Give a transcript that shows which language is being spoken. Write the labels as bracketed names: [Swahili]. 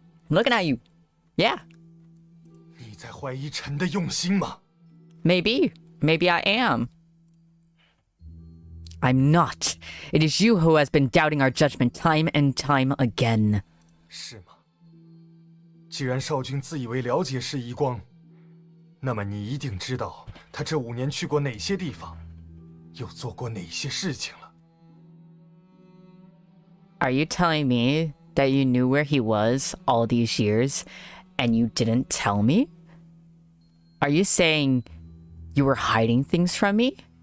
[English] I'm looking at you. Yeah. [Chinese] 你在怀疑臣的用心吗? [English] Maybe. Maybe I am. I'm not. It is you who has been doubting our judgment time and time again. [Chinese] 是吗？既然少君自以为了解释一光，那么你一定知道他这五年去过哪些地方，又做过哪些事情了。 [English] Are you telling me that you knew where he was all these years, and you didn't tell me? Are you saying you were hiding things from me?